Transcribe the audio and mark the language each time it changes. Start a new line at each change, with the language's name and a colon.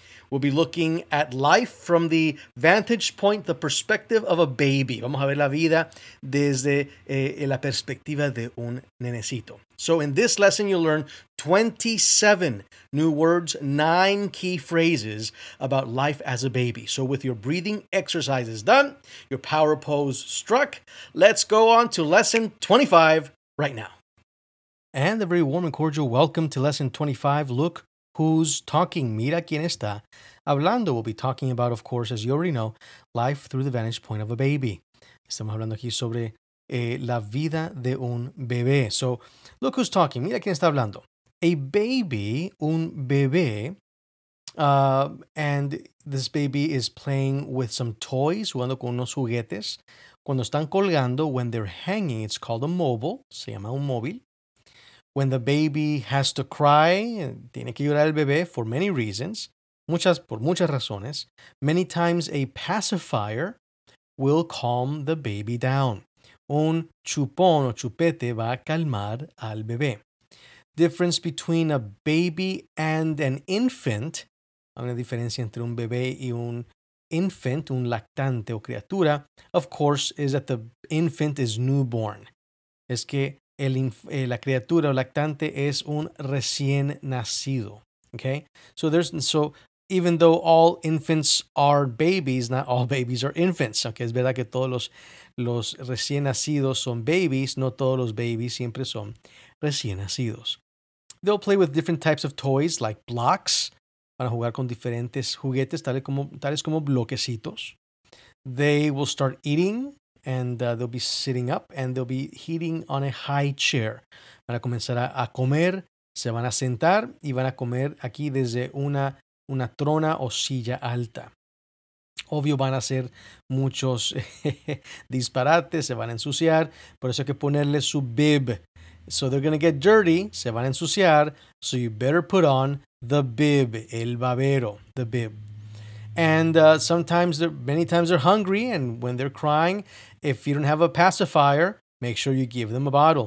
English: We'll be looking at life from the vantage point, the perspective of a baby.
Spanish: Vamos a ver la vida desde la perspectiva de un nenecito.
English: So in this lesson, you'll learn 27 new words, 9 key phrases about life as a baby. So with your breathing exercises done, your power pose struck, let's go on to lesson 25 right now. And a very warm and cordial welcome to lesson 25. Look Who's Talking.
Spanish: Mira quién está hablando.
English: We'll be talking about, of course, as you already know, life through the vantage point of a baby.
Spanish: Estamos hablando aquí sobre la vida de un bebé.
English: So, look who's talking.
Spanish: Mira quién está hablando.
English: A baby,
Spanish: un bebé,
English: and this baby is playing with some toys,
Spanish: jugando con unos juguetes. Cuando están colgando,
English: when they're hanging, it's called a mobile.
Spanish: Se llama un móvil.
English: When the baby has to cry,
Spanish: tiene que llorar el bebé
English: for many reasons,
Spanish: por muchas razones.
English: Many times a pacifier will calm the baby down.
Spanish: Un chupón o chupete va a calmar al bebé.
English: Difference between a baby and an infant.
Spanish: Hay una diferencia entre un bebé y un infant, un lactante o criatura.
English: Of course, is that the infant is newborn.
Spanish: Es que la criatura o lactante es un recién nacido, okay?
English: So even though all infants are babies, not all babies are infants, okay?
Spanish: Es verdad que todos los recién nacidos son babies, no todos los babies siempre son recién nacidos.
English: They'll play with different types of toys, like blocks.
Spanish: Van a jugar con diferentes juguetes, tales como bloquecitos.
English: They will start eating. And they'll be sitting up and they'll be eating on a high chair.
Spanish: Van a comenzar a comer, se van a sentar y van a comer aquí desde una trona o silla alta. Obvio van a hacer muchos disparates, se van a ensuciar, por eso hay que ponerle su bib.
English: So they're going to get dirty,
Spanish: se van a ensuciar,
English: so you better put on the bib,
Spanish: el babero,
English: the bib. And many times they're hungry, and when they're crying, if you don't have a pacifier, make sure you give them a bottle.